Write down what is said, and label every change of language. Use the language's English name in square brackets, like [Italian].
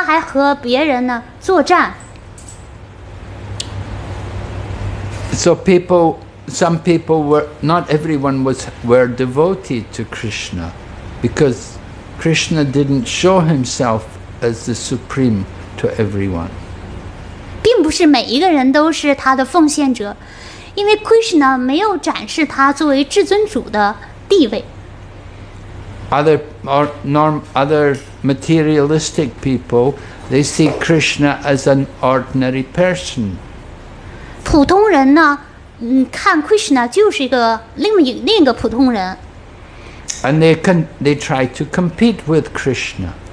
[Chinese] 我们要明白呢，Krishna呢，他现在扮演的是一个普通常人的角色，他照顾了他的父亲、母亲，他还和别人呢作战。 [English] So people. Some people were, not everyone was, were devoted to Krishna, because Krishna didn't show himself as the supreme to everyone. [Chinese] 并不是每一个人都是他的奉献者, 因为Krishna没有展示他作为至尊主的地位。 [English] Other materialistic people, they see Krishna as an ordinary person. [Chinese] 普通人呢, 看Krishna就是一个另一个普通人。 [English] And they try to compete with Krishna.